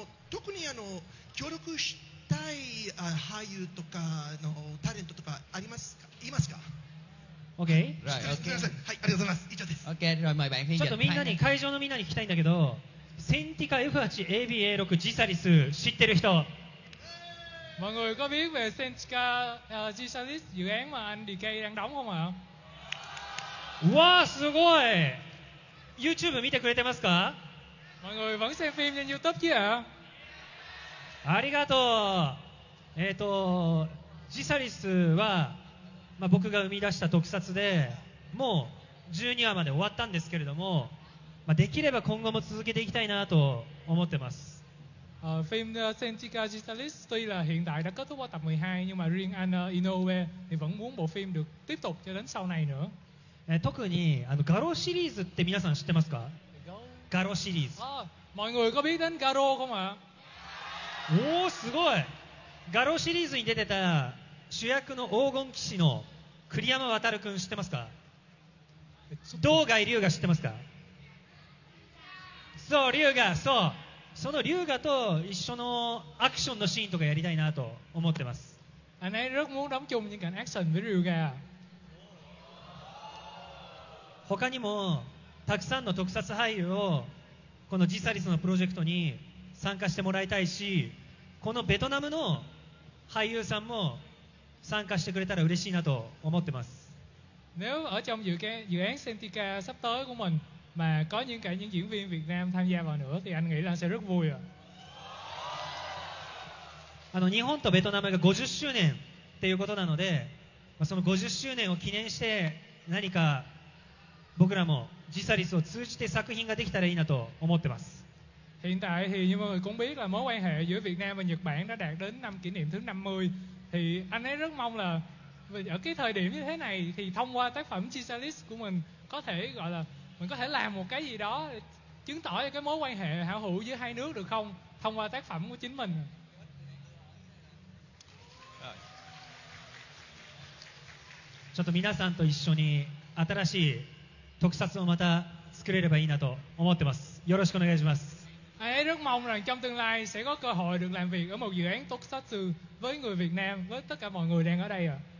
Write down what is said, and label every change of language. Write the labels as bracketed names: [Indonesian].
[Japanese] 特に協力したい俳優とかのタレントとかありますか。いますか。 [English] OK、 [Japanese] ありがとうございます。以上です。 OK、 ちょっとみんなに、会場のみんなに聞きたいんだけど、センティカ F8 ABA6 ジサリス知ってる人、 [Vietnamese] Mọi người có biết về Senchika Jisalis dự án mà anh DK đang đóng không ạ? [Japanese] Wow, すごい! YouTube 見てくれてますか? [Vietnamese] Mọi người vẫn xem phim trên YouTube chứ ạ? [Japanese] ありがとう。ジサリスは、まあ、僕が生み出した特撮でもう12話まで終わったんですけれども、まあ、できれば今後も続けていきたいなと思ってます。 [Vietnamese] Phim Senchika Jisalis tuy là hiện tại đã kết thúc ở tập 12 nhưng mà riêng anh Inoue thì vẫn muốn bộ phim được tiếp tục cho đến sau này nữa. [Japanese] 特にあのガロシリーズって皆さん知ってますか? ガロシリーズ。 [Vietnamese] Mọi người có biết đến ガロ không ạ? [Japanese] おお、すごい。ガロシリーズに出てた主役の黄金騎士の栗山渉くん知ってますか? 道外龍が知ってますか? そう、龍が、そう。その龍がと一緒のアクションのシーンとかやりたいなと思ってます。 [Vietnamese] Anh ấy rất muốn đóng chung những cảnh action với Liu Ga. [Japanese] 他にもたくさんの特撮俳優をこのジサリスのプロジェクトに参加してもらいたいし、このベトナムの俳優さんも参加してくれたら嬉しいなと思ってます。 [Vietnamese] Nếu ở trong dự án Sentika sắp tới của mình mà có những cả những diễn viên Việt Nam tham gia vào nữa thì anh nghĩ là sẽ rất vui. [Japanese] あの日本とベトナムが50周年っていうことなので、その50周年を記念して何か僕らもジサリスを通じて作品ができたらいいなと思ってます。 [Vietnamese] Hiện tại thì như mọi người cũng biết là mối quan hệ giữa Việt Nam và Nhật Bản đã đạt đến năm kỷ niệm thứ 50 thì anh ấy rất mong là ở cái thời điểm như thế này thì thông qua tác phẩm Jisalis của mình có thể gọi là mình có thể làm một cái gì đó chứng tỏ cái mối quan hệ hảo hữu giữa hai nước được không thông qua tác phẩm của chính mình. [Japanese] ちょっと皆さんと一緒に新しい特撮をまた作れればいいなと思ってます。よろしくお願いします。 [Vietnamese] Anh ấy rất mong rằng trong tương lai sẽ có cơ hội được làm việc ở một dự án tokusatsu với người Việt Nam, với tất cả mọi người đang ở đây ạ.